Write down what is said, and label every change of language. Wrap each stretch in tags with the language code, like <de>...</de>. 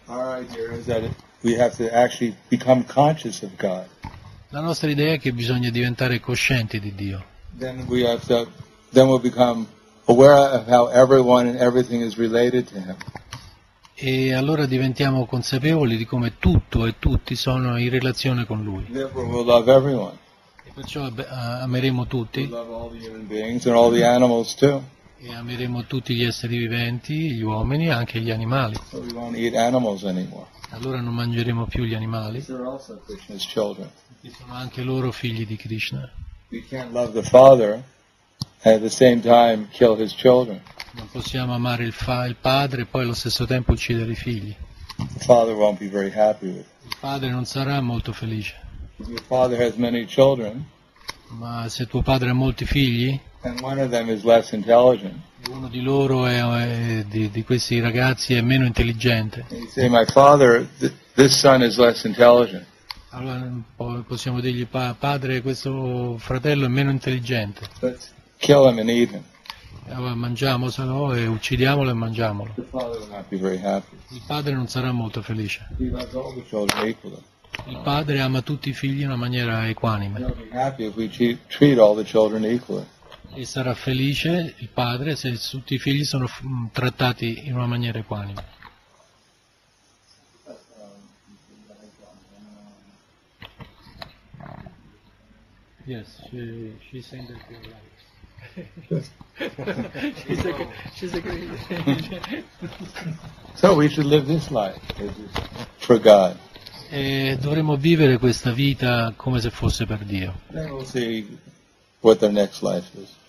<en>Our idea is that we have to actually become conscious of God.</en> <it>La nostra idea è che bisogna diventare coscienti di Dio.</it> <en>Then we have to, then we'll become aware of how everyone and everything is related to Him.</en> <it>E allora diventiamo consapevoli di come tutto e tutti sono in relazione con Lui.</it> <en>We'll love everyone.</en> <it>E perciò ameremo tutti.</it> <en>We'll love all the human beings and all the animals too.</en> <it>E ameremo tutti gli esseri viventi, gli uomini e anche gli animali.</it> <en>So we won't eat animals anymore.</en> <it>Allora non mangeremo più gli animali. Perché sono anche loro figli di Krishna.</it> <en>We can't love the Father and at the same time kill His children.</en> <it>Non possiamo amare il padre e poi allo stesso tempo uccidere i figli.</it> <en>The father won't be very happy with</en> <it>it. Il padre non sarà molto felice.</it> <en>If your father has many children,</en> <it>ma se tuo padre ha molti figli,</it> <en>and one of them is less intelligent,</en> <it>uno di loro è di questi ragazzi è meno intelligente.</it> <en>You say, my father, this son is less intelligent.</en> <it>Allora possiamo dirgli, padre, questo fratello è meno intelligente.</it> <en>Let's kill him and eat him.</en> <it>mangiamo, se no, e uccidiamolo e mangiamolo.</it> <en>The father will not be very happy.</en> <it>Il padre non sarà molto felice.</it> <en>He loves all the children equally.</en> <it>Il padre ama tutti i figli in una maniera equanime.</it> <en>He'll be happy if we treat all the children equally.</en> <it>E sarà felice il padre se tutti i figli sono trattati in una maniera equanime.</it> <en>Yes, she sent it to me. She's a great. So we should live this life for God.</en> <it>E dovremmo vivere questa vita come se fosse per Dio.</it> <en>Then we'll see what their next life is.</en>